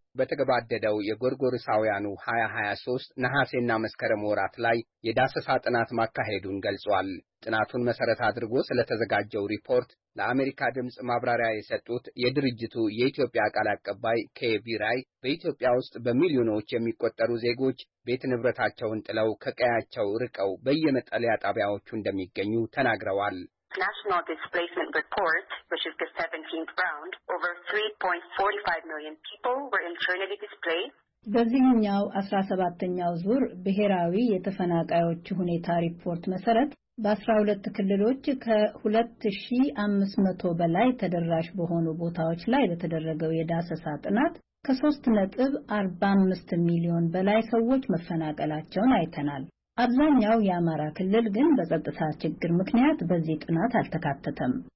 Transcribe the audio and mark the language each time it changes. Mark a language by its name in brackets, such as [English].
[Amharic] በተገባደደው የጎርጎሮሳውያኑ 2023 ነሐሴና መስከረም ወራት ላይ የዳሰሳ ጥናት ማካሄዱን ገልጿል። ጥናቱን መሰረት አድርጎ ስለተዘጋጀው ሪፖርት ለአሜሪካ ድምጽ ማብራሪያ የሰጡት የድርጅቱ የኢትዮጵያ ቃል አቀባይ ከቪራይ በኢትዮጵያ ውስጥ በሚሊዮኖች የሚቆጠሩ ዜጎች ቤት ንብረታቸውን ጥለው ከቀያቸው ርቀው በየመጠለያ ጣቢያዎቹ እንደሚገኙ ተናግረዋል። [English] National Displacement Report, which is the 17th round, over 3.45 million people were internally displaced. [Amharic] በዚህኛው 17ኛው ዙር ብሔራዊ የተፈናቃዮች ሁኔታ ሪፖርት መሰረት በ12 ክልሎች ከ2500 በላይ ተደራሽ በሆኑ ቦታዎች ላይ ለተደረገው የዳሰሳ ጥናት ከ3.45 ሚሊዮን በላይ ሰዎች መፈናቀላቸውን አይተናል። አብዛኛው የአማራ ክልል ግን በጸጥታ ችግር ምክንያት በዚህ ጥናት አልተካተተም።